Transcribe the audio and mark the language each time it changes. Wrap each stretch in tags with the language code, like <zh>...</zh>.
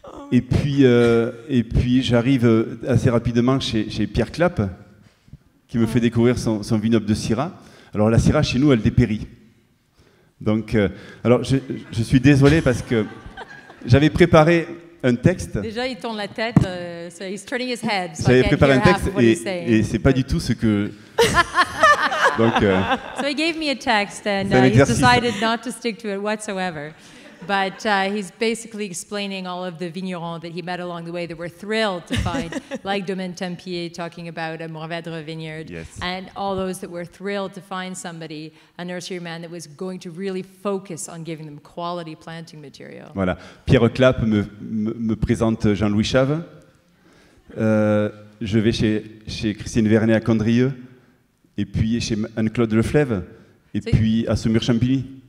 <fr>Et puis, j'arrive assez rapidement chez Pierre Clap, qui me fait découvrir son vignoble de Syrah. Alors la Syrah, chez nous, elle dépérit. Donc, alors je suis désolé parce que j'avais préparé... un texte. Déjà, il tourne la tête.</fr> <en>So he's turning his head. So</en> <fr>j'avais préparé un texte et c'est pas du tout ce que. Donc.</fr> <en>So he gave me a text and he decided not to stick to it whatsoever. But he's basically explaining all of the vignerons that he met along the way that were thrilled to find, like Domaine Tempier talking about a Mourvèdre vineyard, yes. And all those that were thrilled to find somebody, a nurseryman that was going to really focus on giving them quality planting material.</en> <fr>Voilà. Pierre Clap me présente Jean-Louis Chave. Je vais chez Christine Vernet à Condrieu, et puis chez Anne-Claude Leflève, et puis à Saumur-Champigny.</fr>